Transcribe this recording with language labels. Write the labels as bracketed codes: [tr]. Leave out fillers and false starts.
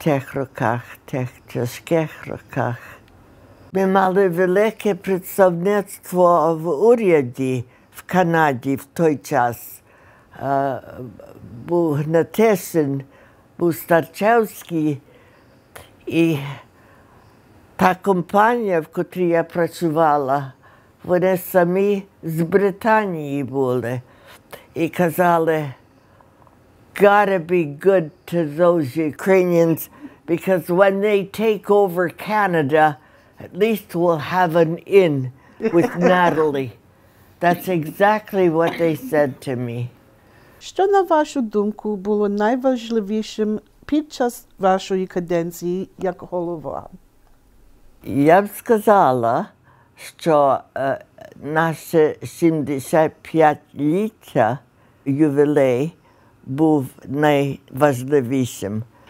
[uk] тих роках, тих тяжких роках. Ми мали велике представництво в уряді в Канаді в той час. Був Натишин, був Старчевський. І та компанія, в котрій я працювала, вони самі з Британії були. І казали, [en] gotta be good to those Ukrainians, because when they take over Canada, at least we'll have an in with Natalie. That's exactly what they said to me. [uk] Що, на вашу думку, було найважливішим під час вашої каденції як голова? Я б сказала, що наше 75-ліття ювілей був найважливішим.